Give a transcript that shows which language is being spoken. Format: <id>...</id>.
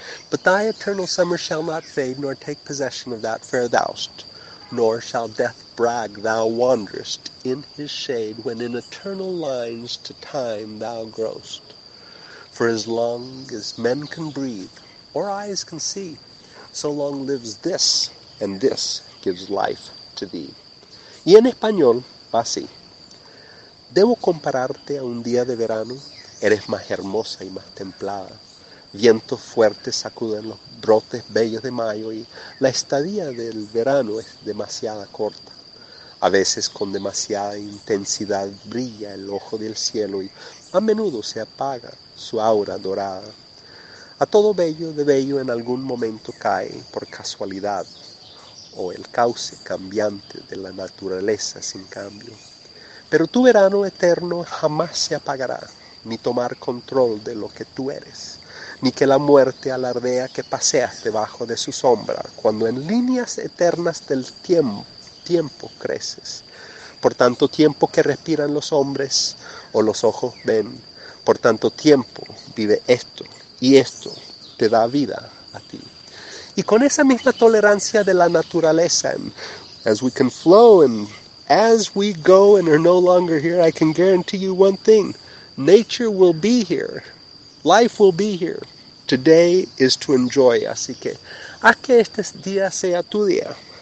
<en>But thy eternal summer shall not fade, nor take possession of that fair thou'st, nor shall death brag thou wanderest in his shade, when in eternal lines to time thou grow'st. For as long as men can breathe, or eyes can see, so long lives this, and this gives life to thee.</en> <es>Y en español, así. Debo compararte a un día de verano, eres más hermosa y más templada. Vientos fuertes sacuden los brotes bellos de mayo y la estadía del verano es demasiada corta. A veces con demasiada intensidad brilla el ojo del cielo y a menudo se apaga su aura dorada. A todo bello de bello en algún momento cae por casualidad o el cauce cambiante de la naturaleza sin cambio. Pero tu verano eterno jamás se apagará ni tomar control de lo que tú eres. Ni que la muerte alardea que paseas debajo de su sombra, cuando en líneas eternas del tiempo creces. Por tanto tiempo que respiran los hombres o los ojos ven, por tanto tiempo vive esto, y esto te da vida a ti. Y con esa misma tolerancia de la naturaleza,</es> <en>and as we can flow and as we go and are no longer here, I can guarantee you one thing, nature will be here. Life will be here. Today is to enjoy.</en> <es>Así que, haz que este día sea tu día.</es>